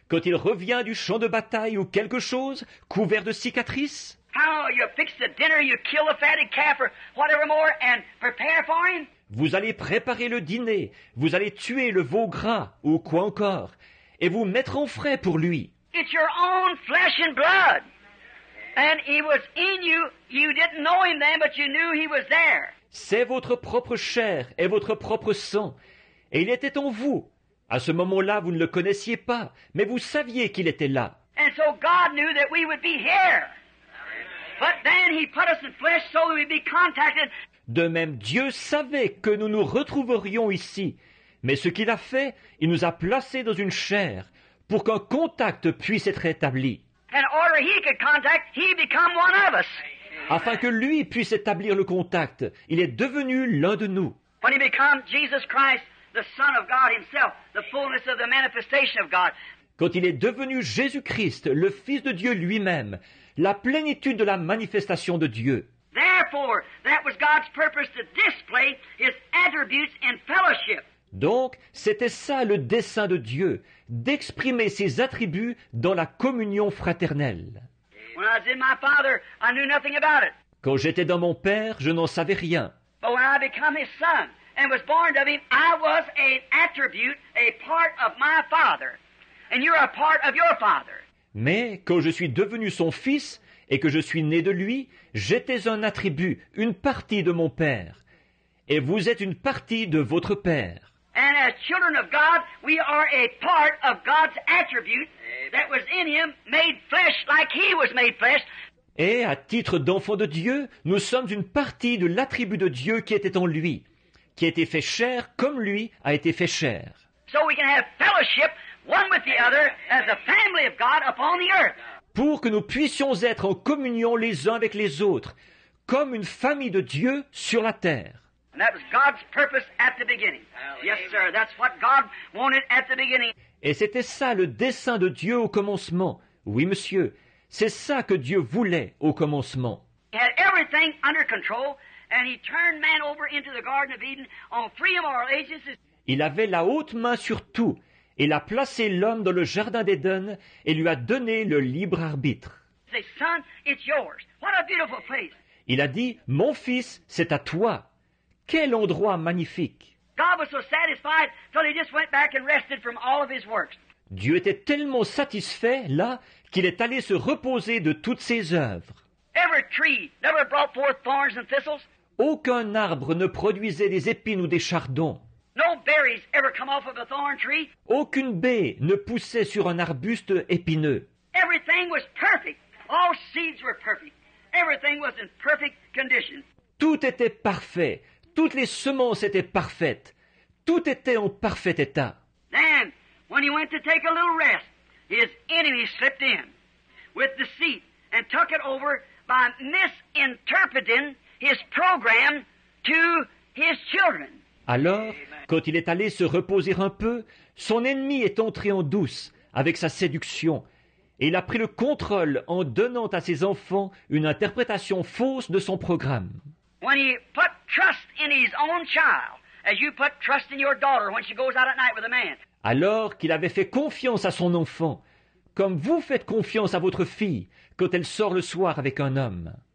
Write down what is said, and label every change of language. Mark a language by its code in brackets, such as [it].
[fr] Quand il revient du champ de bataille ou quelque chose, couvert de cicatrices. [en] How you fix the dinner, you kill a fatted calf or whatever more and prepare for him. [fr] Vous allez préparer le dîner, vous allez tuer le veau gras ou quoi encore, et vous mettre en frais pour lui. [en] It's your own flesh and blood. And he was in you. You didn't know him then, but you knew he was there. [fr] C'est votre propre chair et votre propre sang. Et il était en vous. À ce moment-là, vous ne le connaissiez pas, mais vous saviez qu'il était là. [en] And so God knew that we would be here. But then he put us in flesh so that we'd be contacted. [fr] De même, Dieu savait que nous nous retrouverions ici. Mais ce qu'il a fait, il nous a placés dans une chair pour qu'un contact puisse être établi. [en] And order he could contact, he become one of us. [fr] Afin que lui puisse établir le contact, il est devenu l'un de nous. [en] When he became Jesus Christ, the Son of God himself, the fullness of the manifestation of God. [fr] Quand il est devenu Jésus-Christ, le Fils de Dieu lui-même, la plénitude de la manifestation de Dieu. [en] Therefore, that was God's purpose to display his attributes in fellowship. [fr] Donc, c'était ça le dessein de Dieu, d'exprimer ses attributs dans la communion fraternelle. [en] When I was in my father, I knew nothing about it. [fr] Quand j'étais dans mon père, je n'en savais rien. [en] But when I became his son and was born of him, I was an attribute, a part of my father. And you're a part of your father. [fr] Mais quand je suis devenu son fils et que je suis né de lui, j'étais un attribut, une partie de mon père. Et vous êtes une partie de votre père. [en] And as children of God, we are a part of God's attribute that was in him, made flesh like he was made flesh. [fr] Et à titre d'enfant de Dieu, nous sommes une partie de l'attribut de Dieu qui était en lui, qui a été fait chair comme lui a été fait chair. [en] So we can have fellowship one with the other as a family of God upon the earth. [fr] Pour que nous puissions être en communion les uns avec les autres, comme une famille de Dieu sur la terre. [en] And that was God's purpose at the beginning. Yes, sir. That's what God wanted at the beginning. [fr] Et c'était ça le dessein de Dieu au commencement. Oui, monsieur. C'est ça que Dieu voulait au commencement. [en] He had everything under control, and he turned man over into the Garden of Eden on three immoral agencies. [fr] Il avait la haute main sur tout. Il a placé l'homme dans le jardin d'Éden et lui a donné le libre arbitre. [en] He said, "Son, it's yours." What a beautiful place. [fr] Il a dit, "Mon fils, c'est à toi." Quel endroit magnifique! [en] God was so satisfied till he just went back and rested from all of his works. [fr] Dieu était tellement satisfait là qu'il est allé se reposer de toutes ses œuvres. [en] Every tree never brought forth thorns and thistles. [fr] Aucun arbre ne produisait des épines ou des chardons. [en] No berries ever come off of a thorn tree. [fr] Aucune baie ne poussait sur un arbuste épineux. [en] Everything was perfect. All seeds were perfect. Everything was in perfect condition. [fr] Tout était parfait. Toutes les semences étaient parfaites. Tout était en parfait état. [en] Then, when he went to take a little rest, his enemy slipped in with deceit and took it over by misinterpreting his program to his children. [fr] Alors, quand il est allé se reposer un peu, son ennemi est entré en douce avec sa séduction et il a pris le contrôle en donnant à ses enfants une interprétation fausse de son programme. [en] When he put trust in his own child, as you put trust in your daughter when she goes out at night with a man. [fr] Alors qu'il avait fait confiance à son enfant, comme vous faites confiance à votre fille quand elle sort le soir avec un homme.